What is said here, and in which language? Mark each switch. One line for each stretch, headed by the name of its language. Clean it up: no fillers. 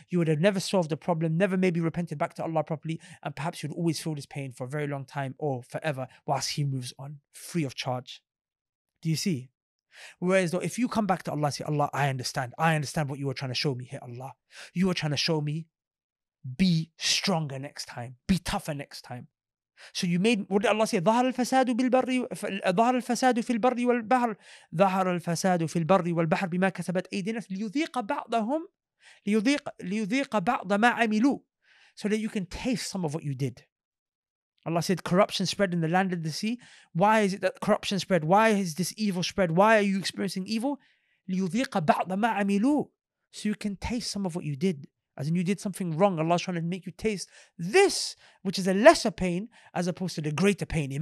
English: You would have never solved the problem, never maybe repented back to Allah properly, and perhaps you'd always feel this pain for a very long time or forever whilst he moves on, free of charge. Do you see? Whereas though, if you come back to Allah and say, Allah, I understand what you were trying to show me here, Allah. You were trying to show me, be stronger next time, be tougher next time. So you made, what did Allah say?
Arabic: ظهر الفساد بالبر ظهر الفساد في البر والبحر ظهر الفساد في البر والبحر بما كسبت أيدي الناس ليذيق بعضهم ليذيق بعض ما عملوا.
English: So that you can taste some of what you did. Allah said, corruption spread in the land and the sea. Why is it that corruption spread? Why is this evil spread? Why are you experiencing evil?
Arabic: لِيُذِيقَ بَعْضَ مَا عَمِلُوا.
English: So you can taste some of what you did. As in you did something wrong. Allah's trying to make you taste this, which is a lesser pain, as opposed to the greater pain.